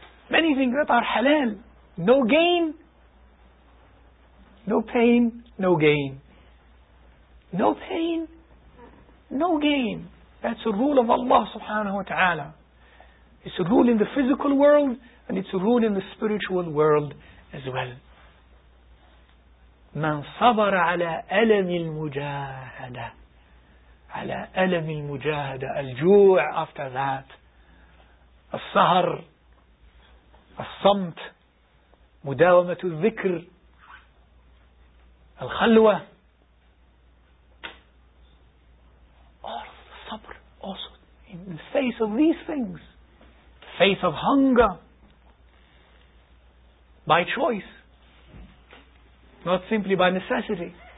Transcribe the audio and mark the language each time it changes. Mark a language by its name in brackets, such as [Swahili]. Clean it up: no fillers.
[English] Many things that are halal. No gain, no pain, no gain. No pain, no gain. That's a rule of Allah subhanahu wa ta'ala. It's a rule in the physical world, and it's a rule in the spiritual world as well. [Arabic] مَنْ صَبَرَ عَلَىٰ أَلَمِ الْمُجَاهَدَةِ عَلَىٰ أَلَمِ الْمُجَاهَدَةِ الْجُوعِ [English] after that. [Arabic] السَّهَرِ الصمت مداومة الذكر الخلوة [English] or صبر also in the face of these things, face of hunger by choice, not simply by necessity,